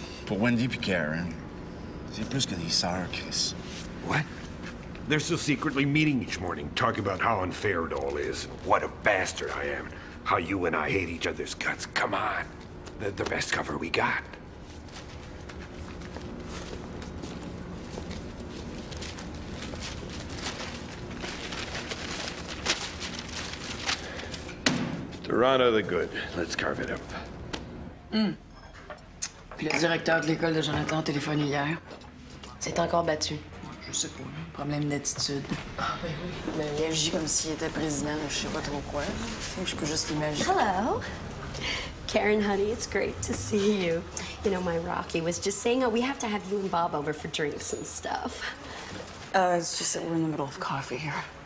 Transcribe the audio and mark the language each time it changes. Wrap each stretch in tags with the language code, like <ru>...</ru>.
<fr>Wendy et Karen, c'est plus que des sœurs, Chris.</fr> <en>What? They're still secretly meeting each morning, talking about how unfair it all is, and what a bastard I am, and how you and I hate each other's guts. Come on. They're the best cover we got. Toronto the good. Let's carve it up. Mm.</en> <fr>Puis le directeur de l'école de Jonathan a téléphoné hier. C'est encore battu. Je sais pas. Problème d'attitude. Ah, ben oui. Mais il agit comme s'il était président, je sais pas trop quoi. Je peux juste l'imaginer.</fr> <en>Hello. Karen, honey, it's great to see you. You know, my Rocky was just saying, oh, we have to have you and Bob over for drinks and stuff. It's just that we're in the middle of coffee here.</en>